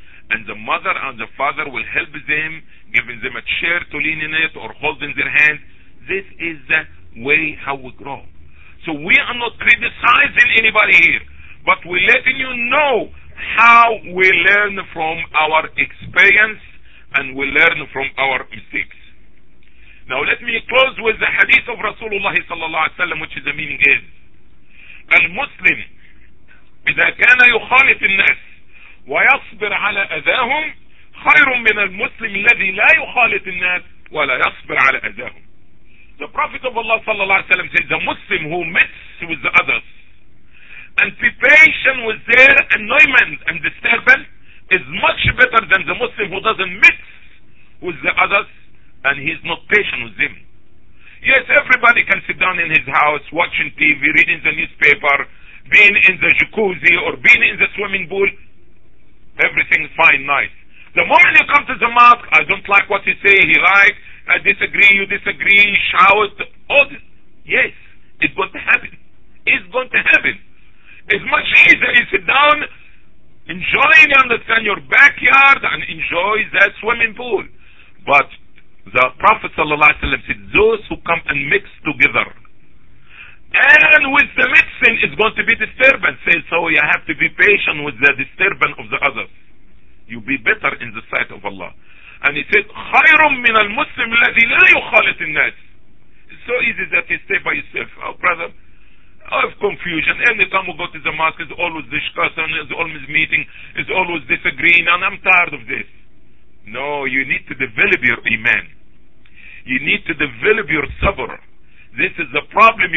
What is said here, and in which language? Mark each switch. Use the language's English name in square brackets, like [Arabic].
[English] And the mother and the father will help them, giving them a chair to lean in it or holding their hand. This is the way how we grow. So we are not criticizing anybody here, but we're letting you know how we learn from our experience and we learn from our mistakes. Now let me close with the hadith of Rasulullah sallallahu alaihi wasallam, which is the meaning is, [Arabic] المسلم إذا كان يخالط الناس ويصبر على أذاهم خير من المسلم الذي لا يخالط الناس ولا يصبر على أذاهم. [English] The Prophet of Allah [Arabic] صلى الله عليه وسلم [English] says, the Muslim who meets with the others and be patient with their annoyment and disturbance is much better than the Muslim who doesn't meet with the others and he is not patient with them. Yes, everybody can sit down in his house, watching TV, reading the newspaper, being in the jacuzzi or being in the swimming pool. Everything's fine, nice. The moment you come to the mosque, I don't like what you say, he likes, I disagree, you disagree, shout, all this. Yes, It's going to happen. It's going to happen. It's much easier to sit down, enjoy, you understand, your backyard and enjoy that swimming pool. But the Prophet ﷺ said, those who come and mix together, and with the mixing, it's going to be disturbance. Say, so you have to be patient with the disturbance of the others. You'll be better in the sight of Allah. And he said, [Arabic] خَيْرٌ مِّنَ الْمُسْلِمِ الَّذِي لَا يُخَالِطِ النَّاسِ. [English] It's so easy that you stay by yourself. Oh, brother, I have confusion. Any time we go to the mosque, it's always discussion, it's always meeting, it's always disagreeing, and I'm tired of this. No, you need to develop your iman. You need to develop your sabr. This is the problem.